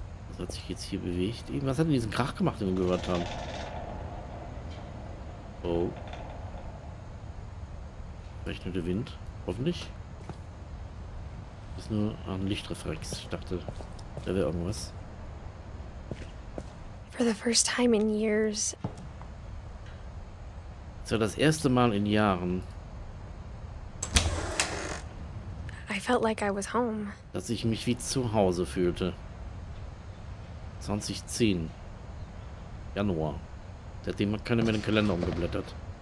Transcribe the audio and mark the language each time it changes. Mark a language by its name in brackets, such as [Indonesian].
[German] Was hat sich jetzt hier bewegt? Was hat denn diesen Krach gemacht, den wir gehört haben? Oh. Vielleicht nur der Wind. Hoffentlich. Ist nur ein Lichtreflex. Ich dachte, da wäre irgendwas. [English] For the first time in years. [German] So, das erste Mal in Jahren. [English] I felt like I was home. [German] Dass ich mich wie zu Hause fühlte. 2010. Januar. Seitdem hat keiner mehr den Kalender umgeblättert.